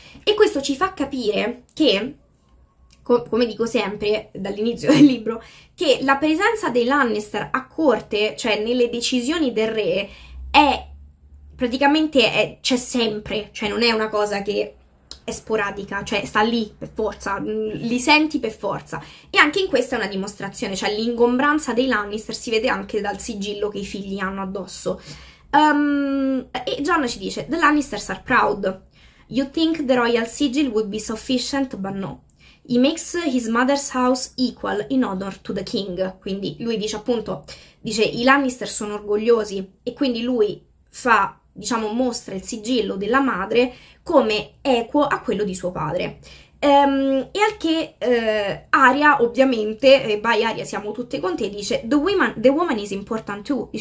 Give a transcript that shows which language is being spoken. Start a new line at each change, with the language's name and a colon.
Italian: E questo ci fa capire che, come dico sempre dall'inizio del libro, che la presenza dei Lannister a corte, cioè nelle decisioni del re, è praticamente c'è sempre, cioè non è una cosa che è sporadica, cioè sta lì per forza, li senti per forza. E anche in questa è una dimostrazione, cioè l'ingombranza dei Lannister si vede anche dal sigillo che i figli hanno addosso. E Jon ci dice:
English: The Lannisters are proud. You think the royal sigil would be sufficient, but no. He makes his mother's house equal in honor to the king.
Italian: Quindi lui dice appunto, dice i Lannister sono orgogliosi e quindi lui fa, diciamo, mostra il sigillo della madre come equo a quello di suo padre. E al che Arya, ovviamente, vai Arya, siamo tutte con te, dice:
English: The woman is important too.